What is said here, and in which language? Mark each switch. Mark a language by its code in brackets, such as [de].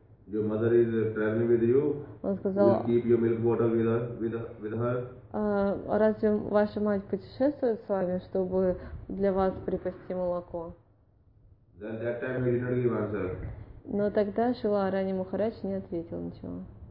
[en] your mother is traveling with you. [ru] Он сказал, [en] will keep your milk bottle with her. [ru] Разве ваша мать путешествует с вами, чтобы для вас припасти молоко? [en] Then that time he did not give answer. [ru] Но тогда Шрила Арани Махарадж не ответил ничего.